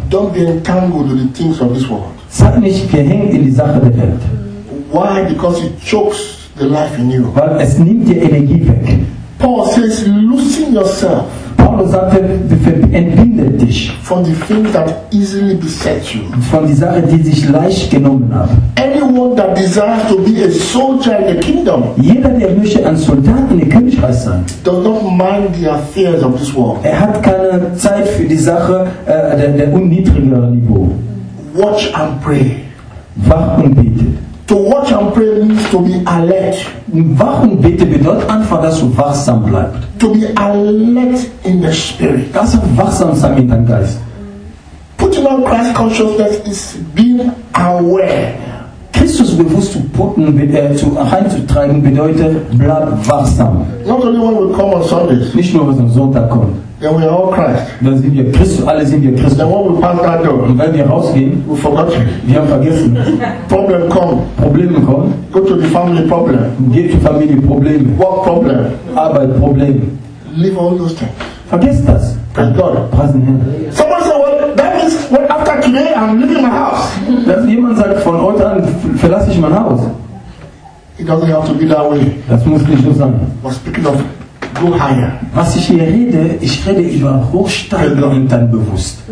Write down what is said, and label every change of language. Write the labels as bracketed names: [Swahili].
[English] Don't be entangled with the things of this world. [German] Sag nicht, gehängt in die Sache der Welt. [English] Why? Because it chokes. The life in you. [German] Weil es nimmt dir Energie weg. [English] Paul says, loosen yourself. [German] Paul sagte, entbinde dich. [English] From the things that easily beset you. [German] Von die Sache, die sich leicht genommen hat. [English] Anyone that desires to be a soldier in the kingdom. [German] Jeder, der möchte ein Soldat in der Königreich sein. [English] Does not mind the affairs of this world. [German] Er hat keine Zeit für die Sache der unniedrigeren Niveau. [English] Watch and pray. [German] Wach und bete. [English] To watch and pray means to be alert. [German] Wach und bete bedeutet einfach, dass du wachsam bleibst. [English] To be alert in the spirit. [German] Das ist wachsam sein in deinem Geist. [English] Putting on Christ consciousness is being aware. [German] Christus bewusst zu putten, reinzutragen bedeutet, bleib wachsam. [English] Not only when we come on Sundays. [German] Nicht nur, wenn es am Sonntag kommt. [English] Then we are all Christ. [German] Dann sind wir Christus, alle sind wir Christus. [English] Then when we pass that door, [German] und wenn wir rausgehen, [English] we forgot you. [German] Wir haben vergessen. [English] Problem come. [German] Probleme kommen. [English] Go to the family problem. [German] Geht zur Familie Probleme. [English] Work problem. [German] Arbeit Probleme. [English] Leave all those things. [German] Vergiss das. [English] Praise God. Praise the Lord. Someone said, well, that means when after today I'm leaving my house. [German] Dass jemand sagt, von heute an verlasse ich mein Haus. [English] It doesn't have to be that way. [German] Das muss nicht so sein. [English] We're speaking of. Go higher. [German] Was ich rede über Hochsteigen in deinem Bewusst.